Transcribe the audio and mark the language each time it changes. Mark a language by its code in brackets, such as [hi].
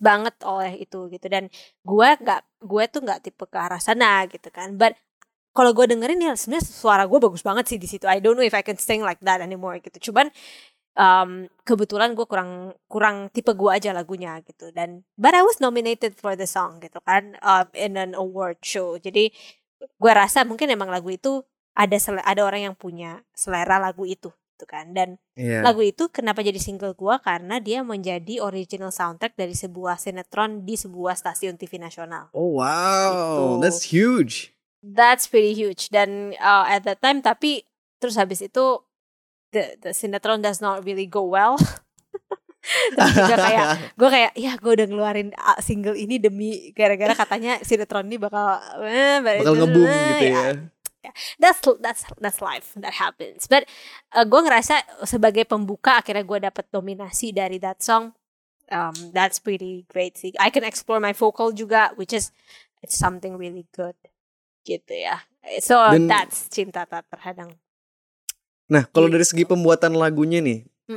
[id] banget oleh itu gitu, dan gue tuh nggak tipe ke arah sana gitu kan. But kalau gue dengerin ya sebenarnya suara gue bagus banget sih di situ. [en] I don't know if I can sing like that anymore [id] gitu. Cuman kebetulan gue kurang tipe gue aja lagunya gitu. [en] Dan but I was nominated for the song [id] gitu kan, [en] in an award show. [id] Jadi gue rasa mungkin emang lagu itu ada orang yang punya selera lagu itu. Kan. Dan lagu itu kenapa jadi single gue, karena dia menjadi original soundtrack dari sebuah sinetron di sebuah stasiun TV nasional. [en] Oh wow, gitu. That's huge. That's pretty huge. Dan at that time, [id] tapi terus habis itu [en] the sinetron does not really go well. [id] Terus juga kayak gue kayak ya gue udah ngeluarin single ini demi gara-gara katanya sinetron ini bakal ngeboom gitu ya. [en] That's life that happens. [id] But gue ngerasa sebagai pembuka akhirnya gue dapet dominasi dari [en] that song. That's pretty great sih. I can explore my vocal [id] juga, [en] which is it's something really good. [id] Gitu ya. So dan, [en] that's Cinta Tak Terhadang. [id] Nah, kalau dari segi pembuatan lagunya nih,